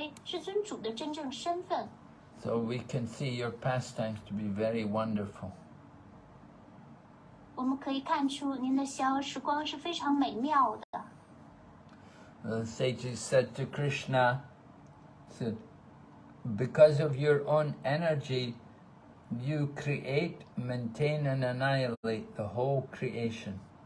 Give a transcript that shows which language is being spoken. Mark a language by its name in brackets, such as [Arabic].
[Chinese] 掩盖了您作为至尊主的真正身份。 [English] So we can see your pastimes to be very wonderful. [Chinese] 我们可以看出您的逍遥时光是非常美妙的。 [English] The sages said to Krishna, said, because of your own energy, you create, maintain, and annihilate the whole creation.